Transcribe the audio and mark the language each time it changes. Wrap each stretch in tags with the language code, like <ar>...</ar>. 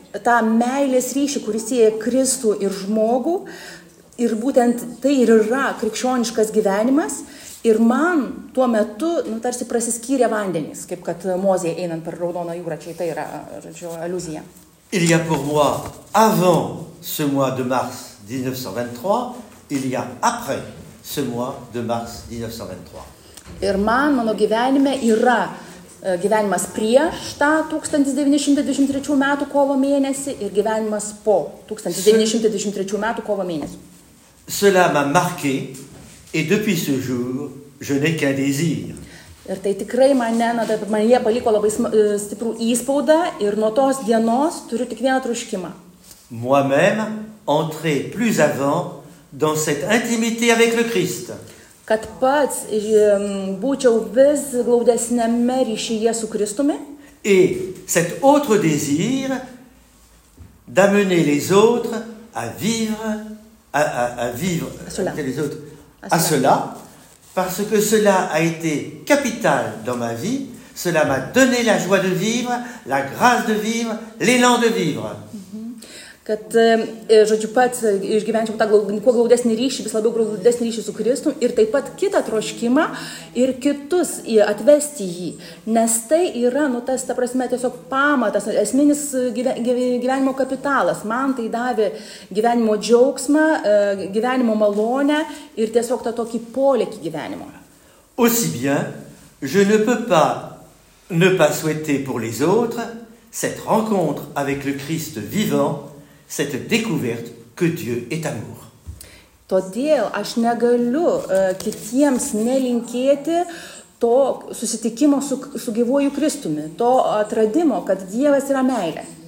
<lt>tą meilės ryšį, kuris sieja Kristų ir žmogų. Ir būtent tai ir yra krikščioniškas gyvenimas. Ir man tuo metu, nu, tarsi prasiskyrė vandenys, kaip kad Mozė einant per Raudoną jūrą, čia tai yra, žodžiu, aluzija.</lt> <fr>Il y a pour moi avant ce mois de mars 1923, il y a après ce mois de mars 1923.</fr> <lt>Ir man mano gyvenime yra gyvenimas prieš tą 1923 metų kovo mėnesį ir gyvenimas po 1923 metų kovo mėnesį.</lt> <fr>Cela m'a marqué et depuis ce jour, je n'ai qu'un désir.</fr> <lt>Ir tai tikrai mane, na, taip, man jie paliko labai stiprų įspaudą ir nuo tos dienos turiu tik vieną troškimą.</lt> <fr>Moi-même entrer plus avant dans cette intimité avec le Christ.</fr> <lt>Kad pats būčiau vis glaudesnėme ryšyje su Kristumi.</lt> <fr>Et cet autre désir d'amener les autres à vivre à vivre avec les autres. À cela, parce que cela a été capital dans ma vie, cela m'a donné la joie de vivre, la grâce de vivre, l'élan de vivre.</fr> <lt>Kad, žodžiu, pats išgyvenčiau tą kuo glaudesnį ryšį, vis labiau glaudesnį ryšį su Kristum ir taip pat kitą troškimą ir kitus atvesti jį. Nes tai yra, nu, tas, ta prasme, tiesiog pamatas, esminis gyvenimo kapitalas. Man tai davė gyvenimo džiaugsmą, gyvenimo malonę ir tiesiog tą tokį polėkį gyvenimo.</lt> <fr>Aussi bien, je ne peux pas ne pas souhaiter pour les autres cette rencontre avec le Christ vivant, cette découverte que Dieu est amour.</fr> <lt>Todėl aš negaliu kitiems nelinkėti to susitikimo su gyvuoju Kristumi, to atradimo, kad Dievas yra meilė.</lt>